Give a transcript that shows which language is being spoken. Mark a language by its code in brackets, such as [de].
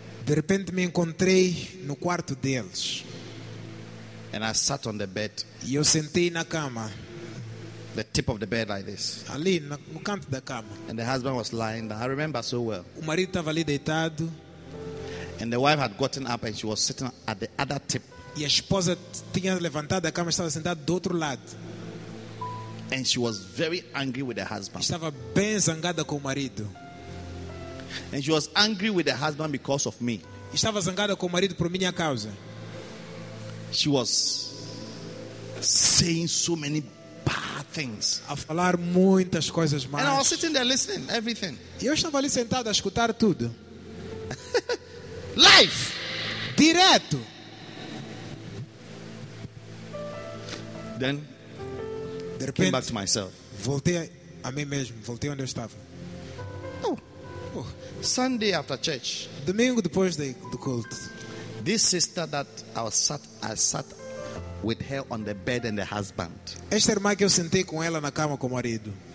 [pt] De repente me encontrei no quarto deles, [en] and I sat on the bed. [pt] E eu sentei na cama, [en] the tip of the bed like this. [pt] Ali no canto da cama. [en] And the husband was lying down. I remember so well. [pt] O marido estava ali deitado. [en] And the wife had gotten up and she was sitting at the other tip. [pt] E a esposa tinha levantado a cama e estava sentada do outro lado. [en] And she was very angry with her husband. [pt] Estava bem zangada com o marido. [en] And she was angry with her husband because of me. [pt] Estava zangada com o marido por minha causa. [en] She was saying so many bad things. [pt] A falar muitas coisas más. [en] And I was sitting there listening everything. [pt] Eu estava ali sentado a escutar tudo. [en] Life. [pt] Direto. [en] Then [pt] de repente, [en] came back to myself. [pt] Voltei a mim mesmo, voltei onde eu estava. [en] Sunday after church. [pt] Domingo depois do culto. [en] This sister that I sat with her on the bed and the husband. [pt] Esta irmã que eu sentei com ela na cama com o marido.